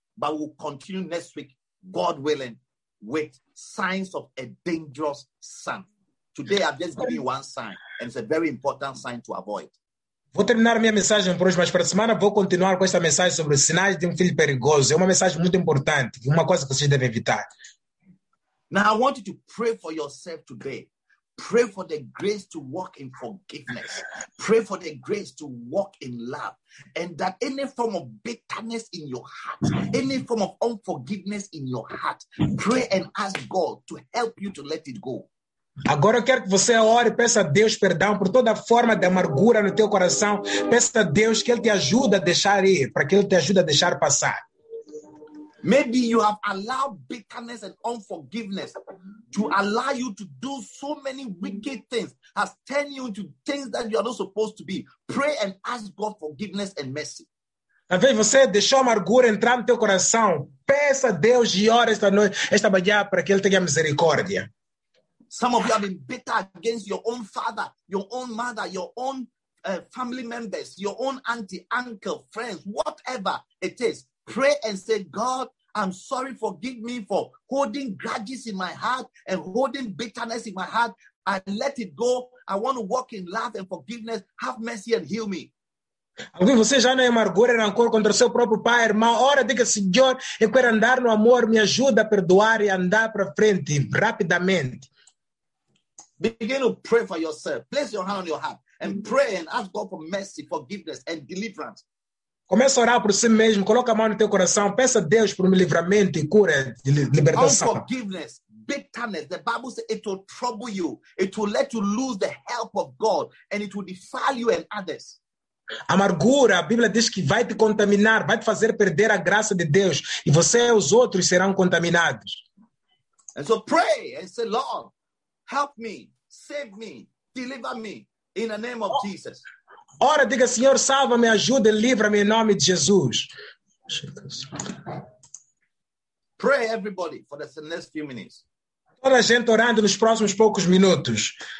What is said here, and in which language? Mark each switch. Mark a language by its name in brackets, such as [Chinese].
[English] But we'll continue next week, God willing, with signs of a dangerous son. Today, I've just given you one sign, and it's a very important sign to avoid. [Portuguese] Vou terminar minha mensagem por hoje, mas para a semana vou continuar com esta mensagem sobre sinais de filho perigoso. É uma mensagem muito importante, uma coisa que vocês devem evitar. [English] Now, I want you to pray for yourself today. Pray for the grace to walk in forgiveness. Pray for the grace to walk in love. And that any form of bitterness in your heart, any form of unforgiveness in your heart, pray and ask God to help you to let it go. [Portuguese] Agora eu quero que você ore e peça a Deus perdão por toda a forma de amargura no teu coração. Peça a Deus que Ele te ajude a deixar ir, para que Ele te ajude a deixar passar. [English] Maybe you have allowed bitterness and unforgiveness to allow you to do so many wicked things, has turned you into things that you are not supposed to be. Pray and ask God forgiveness and mercy. [Portuguese] Talvez você deixou amargura entrar no teu coração. Peça a Deus e ore esta noite, esta manhã, para que Ele tenha misericórdia. [English] Some of you have been bitter against your own father, your own mother, your own family members, your own auntie, uncle, friends, whatever it is. Pray and say, God, I'm sorry, forgive me for holding grudges in my heart and holding bitterness in my heart. I let it go. I want to walk in love and forgiveness. Have mercy and heal me. [Portuguese] Alguém, você já não é amargura e rancor contra seu próprio pai, irmão. Ora, diga, Senhor, eu quero andar no amor. Me ajuda a perdoar e andar para frente rapidamente. [English] Begin to pray for yourself. Place your hand on your heart and pray and ask God for mercy, forgiveness, and deliverance. [Portuguese] Começa a orar por si mesmo, coloca a mão no teu coração, peça a Deus por um livramento e cura de libertação. [English] Unforgiveness, bitterness, the Bible says it will trouble you, it will let you lose the help of God, and it will defile you and others. [Portuguese] Amargura, a Bíblia diz que vai te contaminar, vai te fazer perder a graça de Deus, e você e os outros serão contaminados. [English] And so pray and say, Lord, help me, save me, deliver me. In the name of Jesus. [Portuguese] Ora, diga, Senhor, salva-me, ajuda, livra-me em nome de Jesus. [English] Pray everybody for the next few minutes. [Portuguese] Toda a gente orando nos próximos poucos minutos.